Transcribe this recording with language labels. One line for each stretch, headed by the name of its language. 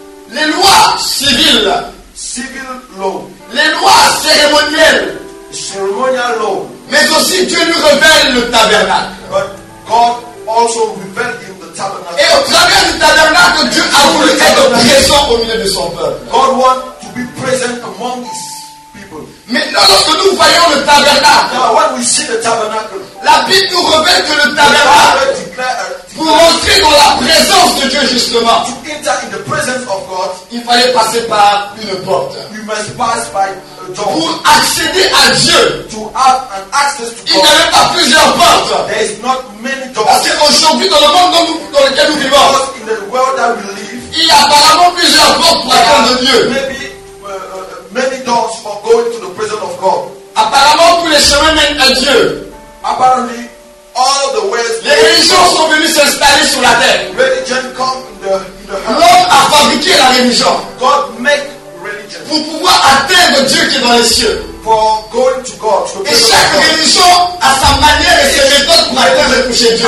French: Les lois civiles.
English: Civil law.
French: Les lois cérémonielles.
English: Ceremonial law.
French: Mais aussi, Dieu lui révèle le tabernacle.
English: But God also revealed him the tabernacle.
French: Et au travers du tabernacle, Dieu a voulu être présent au milieu de son peuple.
English: God want to be present among his people.
French: Maintenant, lorsque nous voyons le tabernacle,
English: now, when we see the tabernacle,
French: la Bible nous révèle que le tabernacle, pour rentrer dans la présence de Dieu justement,
English: to enter in the presence of God,
French: il fallait passer par une porte.
English: We must pass by a door.
French: Pour accéder à Dieu,
English: to have an access to God,
French: il n'y avait pas plusieurs portes.
English: There is not many doors.
French: Parce qu'aujourd'hui, dans le monde dans lequel nous vivons,
English: in the world that we live,
French: il y a apparemment plusieurs portes pour atteindre Dieu.
English: Maybe many doors for going to the presence of God.
French: Apparemment, tous les chemins mènent à Dieu.
English: Apparently, all the ways.
French: Les religions sont venues s'installer sur la terre.
English: Religion come in the
French: heart. L'homme a fabriqué la religion.
English: God make religion.
French: Pour pouvoir atteindre Dieu qui est dans les cieux.
English: For going to God. To
French: et chaque religion a sa manière et ses méthodes pour atteindre et toucher Dieu.